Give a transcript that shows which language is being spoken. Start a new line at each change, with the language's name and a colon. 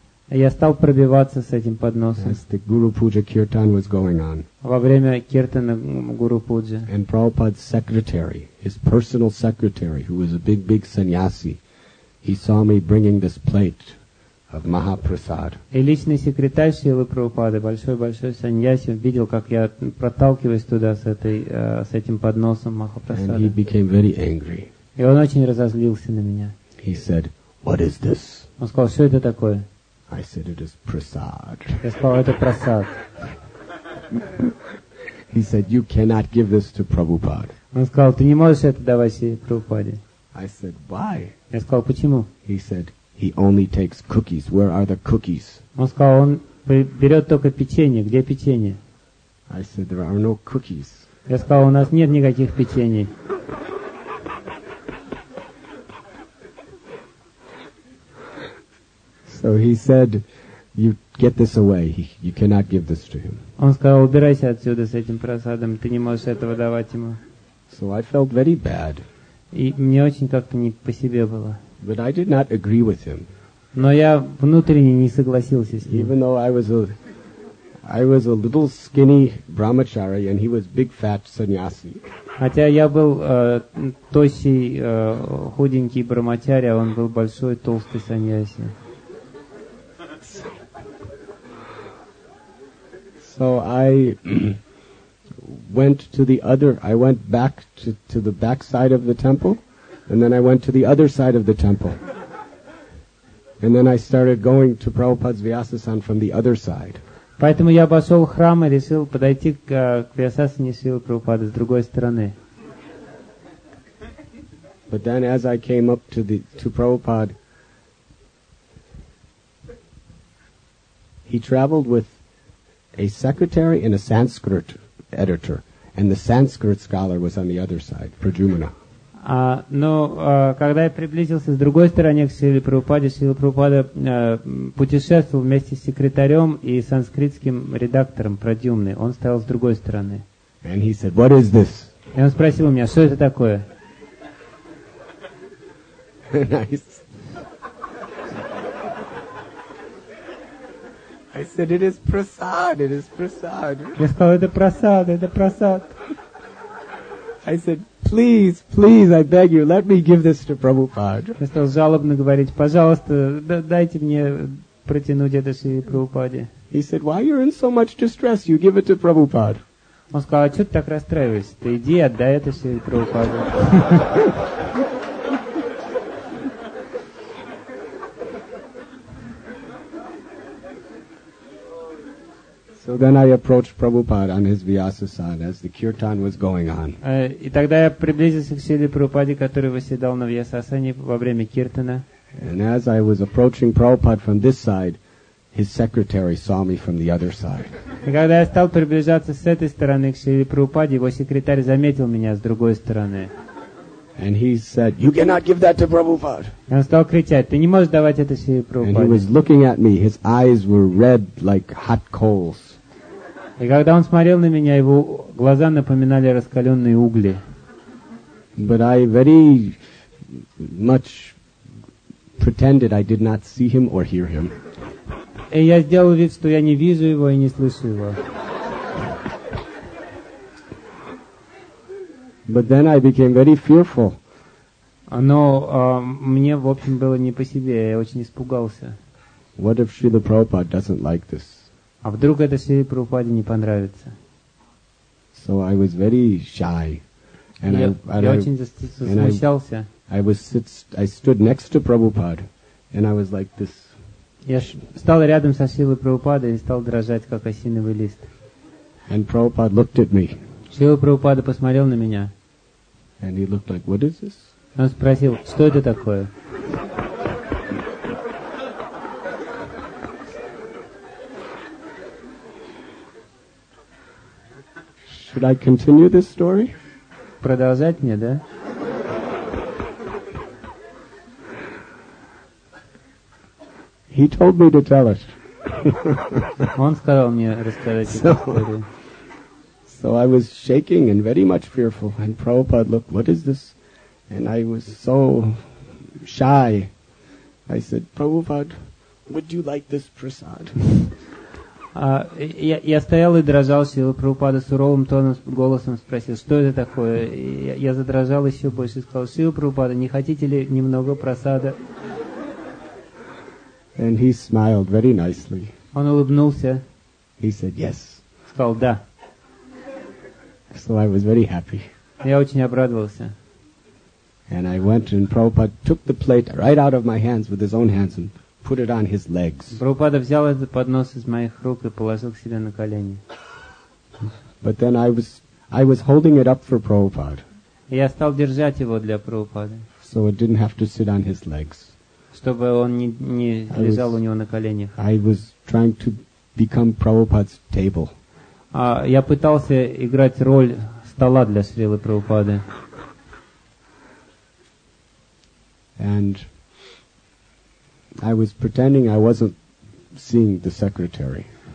Russian: Я стал пробиваться с этим подносом.
English: As the Guru Puja Kirtan was going on.
Russian: Во время киртана Гуру Пуджа.
English: And Prabhupada's secretary, his personal secretary, who was a big sannyasi, he saw me bringing this plate of Mahaprasad.
Russian: И личный секретарь Шрилы Прабхупады, большой сannyasi, видел, как я проталкиваюсь туда с этим подносом Махапрасада.
English: And he became very angry.
Russian: И он очень разозлился на меня.
English: He said, "What is this?"
Russian: Он сказал, что это такое?
English: I said, it is prasad.
Russian: Я сказал, это прасад.
English: He said, you cannot give this to Prabhupada.
Russian: Он сказал, ты не можешь это давать себе Прабхупаде.
English: I said, why?
Russian: Я сказал, почему?
English: He said, he only takes cookies. Where are the cookies?
Russian: Он сказал, он берет только печенье. Где печенье?
English: I said, there are no cookies.
Russian: Я сказал, у нас нет никаких печеней.
English: So he said, "You get this away. You cannot give this to him."
Russian: Он сказал, убирайся отсюда с этим просадом. Ты не можешь этого давать ему.
English: So I felt very bad.
Russian: И мне очень как-то не по себе было.
English: But I did not agree with him.
Russian: Но я внутренне не согласился с ним.
English: Even though I was a little skinny brahmachari, and he was big fat sannyasi.
Russian: Хотя я был тощий, худенький брахмачари, а он был большой, толстый сannyasi.
English: So I went to the other. I went back to the back side of the temple, and then I went to the other side of the temple, and then I started going to Prabhupada's Vyasasan from the other side.
Russian: Поэтому я обошел храм и решил подойти к Вьясасане Шрилы Прабхупады с другой стороны.
English: But then, as I came up to the to Prabhupada, he traveled with a secretary and a Sanskrit editor, and the Sanskrit scholar was on the other side, Prajumana.
Russian: Когда я приблизился с другой стороны к Шриле Прабхупаде, Шрила Прабхупада путешествовал вместе с секретарем и санскритским редактором Прадюмной. Он стоял с другой стороны.
English: And he said, "What is this?"
Russian: И он спросил у меня, что это такое?
English: Nice. I said, it is prasad, it is prasad.
Russian: Я сказал, это прасад, это прасад.
English: I said, please, please, I beg you, let me give this to Prabhupada.
Russian: Я стал жалобно говорить, пожалуйста, дайте мне протянуть это Шри Прабхупаде.
English: He said, why are you in so much distress? You give it to Prabhupada.
Russian: Он сказал, а что ты так расстраиваешься? Ты иди, отдай это Шри Прабхупаде.
English: So then I approached Prabhupada on his Vyasasana as the kirtan was going on.
Russian: И тогда я приблизился к Шриле Прабхупаде, который восседал на Вьясасане во время киртана.
English: And as I was approaching Prabhupada from this side, his secretary saw me from the other side.
Russian: И когда я стал приближаться с этой стороны к Шриле Прабхупаде, его секретарь заметил меня с другой стороны.
English: And he said, "You cannot give that to Prabhupada."
Russian: Он стал кричать, ты не можешь давать это Шриле Прабхупаде.
English: And he was looking at me. His eyes were red like hot coals.
Russian: И когда он смотрел на меня, его глаза напоминали раскаленные угли.
English: But I very much pretended I did not see him or hear him.
Russian: И я сделал вид, что я не вижу его и не слышу его.
English: But then I became very fearful.
Russian: Но мне, в общем, было не по себе, я очень испугался.
English: What if Srila Prabhupada doesn't like this?
Russian: А вдруг это Шри Прабхупаде не понравится?
English: So I was very shy, and
Russian: я очень засмущался.
English: I stood next to Prabhupada, and I was like this.
Russian: Я стал рядом со Шрилой Прабхупадой и стал дрожать, как осиновый лист.
English: And Prabhupada looked at me.
Russian: Шрила Прабхупада посмотрел на меня.
English: And he looked like, what is this?
Russian: Он спросил, что это такое?
English: Should I continue this story?
Russian: Продолжать мне, да?
English: He told me to tell it.
Russian: Он сказал мне рассказать эту историю.
English: So I was shaking and very much fearful, and Prabhupada looked, what is this? And I was so shy. I said, Prabhupada, would you like this prasad?
Russian: Я стоял и дрожал, Шрила Прабхупада суровым тоном, голосом спросил, что это такое? Я задрожал еще больше и сказал, Шрила Прабхупада, не хотите ли немного прасада?
English: And he smiled very nicely.
Russian: Он улыбнулся.
English: He said, yes.
Russian: Сказал, да.
English: So I was very happy.
Russian: Я очень обрадовался.
English: And I went and Prabhupada took the plate right out of my hands with his own hands and put it on his legs.
Russian: Прабхупада взял этот поднос из моих рук и положил к себе на колени.
English: But then I was holding it up for Prabhupada.
Russian: Я стал держать его для Прабхупады.
English: So it didn't have to sit on his legs.
Russian: Чтобы он не лежал у него на коленях.
English: I was trying to become Prabhupada's table.
Russian: Я пытался играть роль стола для Шрилы Прабхупады.
English: And I was pretending I wasn't seeing the secretary.